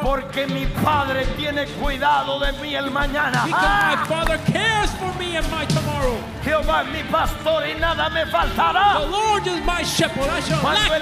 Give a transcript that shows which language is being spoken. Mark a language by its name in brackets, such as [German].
[Spanish] Porque mi padre tiene cuidado de mí el mañana. [English] Because my father cares for me and my tomorrow. [Spanish] Jehová es mi pastor y nada me faltará. [English] The Lord is my shepherd, I shall lack nothing.